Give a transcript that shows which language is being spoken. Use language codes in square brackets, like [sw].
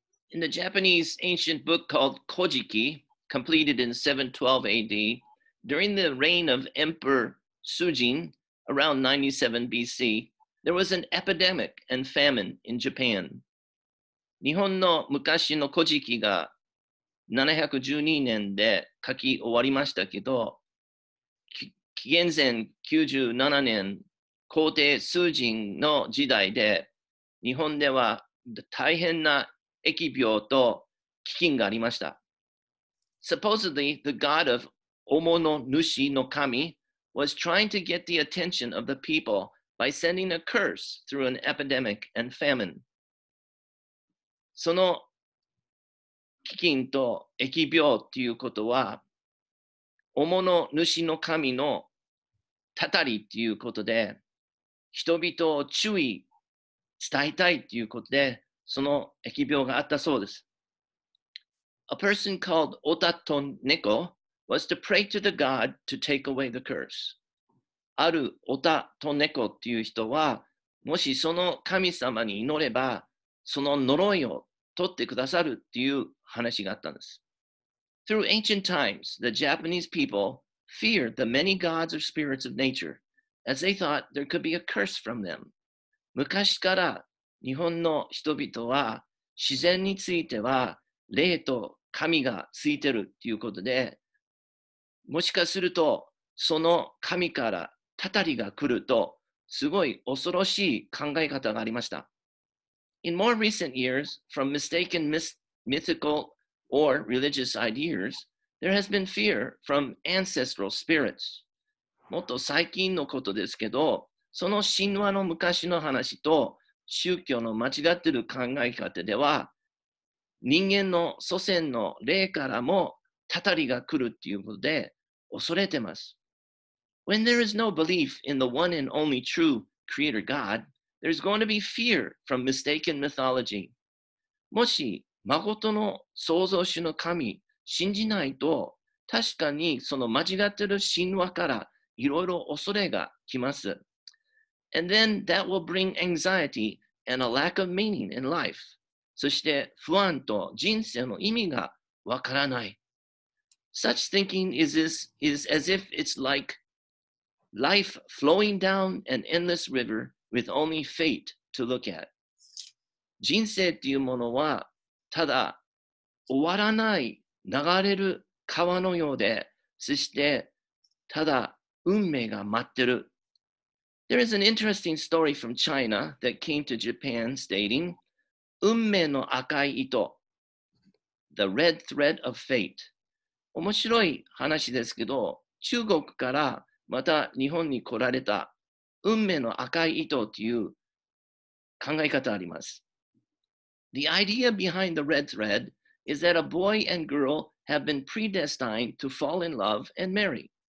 [en] In the Japanese ancient book called Kojiki, completed in 712 AD, during the reign of Emperor Sujin, around 97 BC, there was an epidemic and famine in Japan. [ja] 日本の昔の古事記が712年で書き終わりましたけど、紀元前97年、皇帝スージンの時代で、日本では大変な疫病と飢饉がありました。 [en] Supposedly, the god of Omono Nushi no Kami was trying to get the attention of the people by sending a curse through an epidemic and famine. [ja] その飢饉と疫病ということは、おもの主の神のたたりということで、人々を注意伝えたいということで、その疫病があったそうです。 [en] A person called Otato Neko was to pray to the God to take away the curse. [ja] あるOtato Nekoっていう人は、もしその神様に祈れば、その呪いを取ってくださるっていう話があったんです。 [en] Through ancient times, the Japanese people feared the many gods or spirits of nature, as they thought there could be a curse from them. [ja] 昔から日本の人々は自然については霊と神がついてるっていうことで、もしかするとその神からたたりが来るとすごい恐ろしい考え方がありました。 [en] In more recent years, from mistaken mythical or religious ideas, there has been fear from ancestral spirits. [ja] もっと最近のことですけど、その神話の昔の話と宗教の間違ってる考え方では、人間の祖先の霊からもたたりが来るっていうことで恐れてます。 [en] When there is no belief in the one and only true creator God,There's going to be fear from mistaken mythology. [ja] もし、誠の創造主の神、信じないと、確かにその間違ってる神話からいろいろ恐れが来ます。 [en] And then that will bring anxiety and a lack of meaning in life. [ja] そして、不安と人生の意味がわからない。 [en] Such thinking is as if it's like life flowing down an endless river. With only fate to look at. [ja] 人生っていうものはただ終わらない流れる川のようで、そしてただ運命が待ってる。 [en] There is an interesting story from China that came to Japan stating, [ja] 運命の赤い糸、 [en] The red thread of fate. [ja] 面白い話ですけど、中国からまた日本に来られた運命の赤い糸という考え方があります。 [en] The idea behind the red thread is that a boy and girl have been predestined to fall in love and marry.